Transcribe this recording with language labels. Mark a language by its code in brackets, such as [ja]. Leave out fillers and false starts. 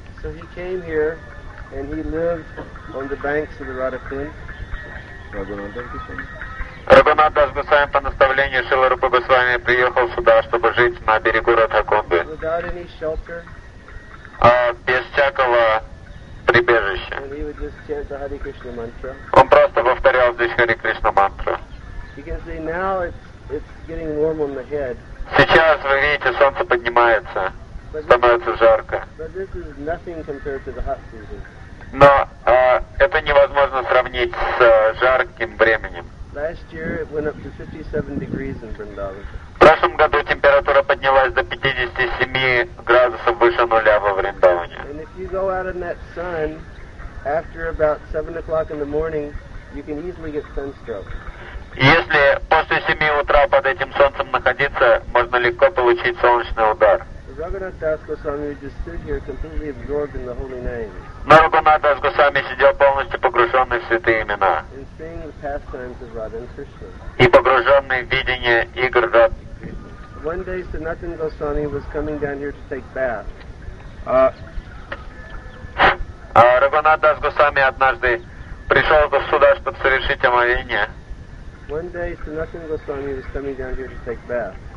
[en] So he came here and he lived on the banks of the Radhakund. [ru] Raghunath Das Goswami по наставлению Шриле Рупе Госвами приехал сюда, чтобы жить на берегу Радхакунды. [en] Without any shelter. [ru] Без всякого прибежище. [en] And he would just chant the Hare Krishna mantra. [ru] Он просто повторял здесь Хари Кришна мантру. [en] You can see now it's getting warm on the head. [ru] Сейчас вы видите, солнце поднимается, становится жарко. [en] But this is nothing compared to the hot season. [ru] Но это невозможно сравнить с жарким временем. [en] Last year it went up to 57 degrees in Vrindavan. [ru] В прошлом году температура поднялась до 57 градусов выше нуля во Вриндаване. [en] And if you go out in that sun after about 7 o'clock in the morning, you can easily get sunstroke. [ru] Если после 7 утра под этим солнцем находиться, можно легко получить солнечный удар. [en] Raghunath Das Goswami would just sit here completely absorbed in the holy names. [ru] Но Raghunath Das Goswami сидел полностью погруженный в святые имена. [en] And seeing the pastimes of Radha and Krishna. [ru] И погруженный в видение игр Радха и [en] Кришны. One day Sanatan Goswami was coming down here to take bath. [ru] Raghunath Das Goswami однажды пришел сюда, чтобы совершить омовение. [en] One day Sanatan Goswami was coming down here to take bath.